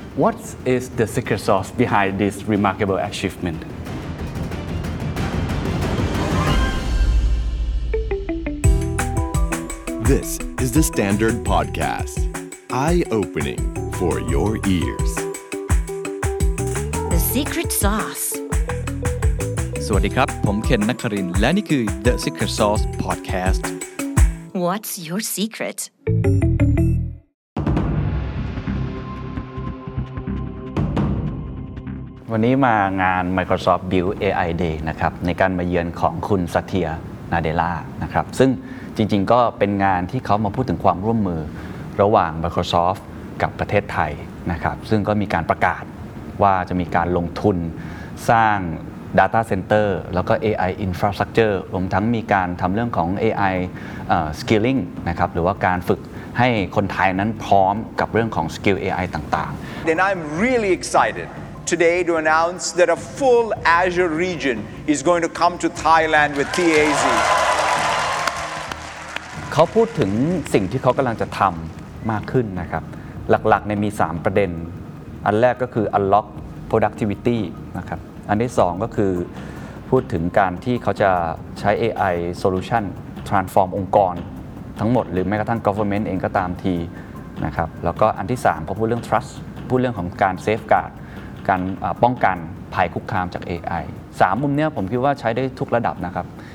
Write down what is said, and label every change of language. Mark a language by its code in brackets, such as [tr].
[en] What is the secret sauce behind this remarkable achievement? This is the Standard Podcast, eye-opening for your ears. The Secret Sauce. [th] สวัสดีครับผมเคนนครินทร์และนี่คือ The Secret Sauce Podcast. [en] What's your secret? [th] วันนี้มางาน Microsoft Build AI Day นะครับในการมาเยือนของคุณสัทเธียนาเดล่านะครับซึ่งจริงๆก็เป็นงานที่เขามาพูดถึงความร่วมมือระหว่าง Microsoft กับประเทศไทยนะครับซึ่งก็มีการประกาศว่าจะมีการลงทุนสร้าง Data Center แล้วก็ AI Infrastructure รวมทั้งมีการทำเรื่องของ AI Skilling นะครับหรือว่าการฝึกให้คนไทยนั้นพร้อมกับเรื่องของ Skill AI ต่าง [en] ๆ Then I'm really excited today to announce that a full Azure region is going to come to Thailand with TAZ. [th] เขาพูดถึงสิ่งที่เขากำลังจะทำมากขึ้นนะครับหลักๆในมี3ประเด็นอันแรกก็คือ [en] unlock productivity [th] นะครับอันที่2ก็คือพูดถึงการที่เขาจะใช้ AI solution transform องค์กรทั้งหมดหรือแม้กระทั่ง government เองก็ตามทีนะครับแล้วก็อันที่3เขาพูดเรื่อง trust พูดเรื่องของการ safeguard การป้องกันภัยคุกคามจาก AI 3มุมเนี้ยผมคิดว่าใช้ได้ทุกระดับนะครับ